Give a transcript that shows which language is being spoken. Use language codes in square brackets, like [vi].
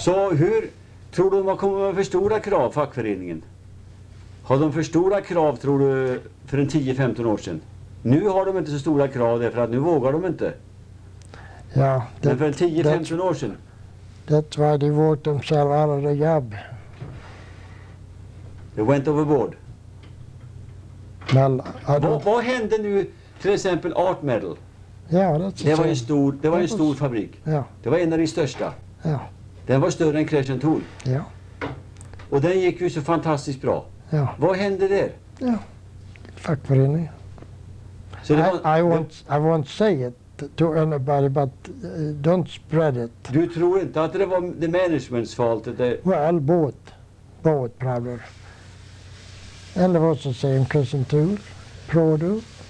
[sv] Så hur tror du man kommer med för stora krav, fackföreningen? Har de för stora krav, tror du, för en 10-15 år sedan? Nu har de inte så stora krav därför att nu vågar de inte. Ja, men för en 10-15 år sedan? [en] That's why they worked themselves out of the job. They went overboard. Well, [sv] vad hände nu, till exempel Art Metal? Ja, yeah, that's det var en stor, det var en stor fabrik. Ja. Yeah. Det var en av de största. Ja. Yeah. Den var större än Crash & Tool. Ja. Och den gick ju så fantastiskt bra. Ja. Vad hände där? Ja, fackförening. Så det var, [en] I won't say it to anybody, but don't spread it. [sv] Du tror inte att det var [en] the management's fault? Well, both probably. And it was the same Crescent Tool, Prodo.